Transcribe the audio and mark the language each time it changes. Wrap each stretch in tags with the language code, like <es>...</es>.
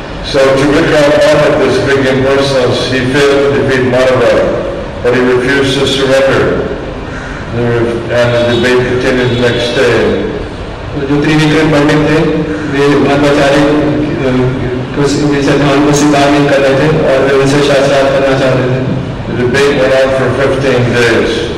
<en>So to become one of this big impersonalist, he failed to defeat Madhava, but he refused to surrender. And the debate continued the next day.</en> <hi>जो त्रिविक्रम पंडित थे वे मध्वाचार्य के सिद्धांत को स्वीकार नहीं कर रहे थे और वे उनसे शास्त्रार्थ करना चाह रहे थे.</hi> <en>The debate went on for 15 days.</en>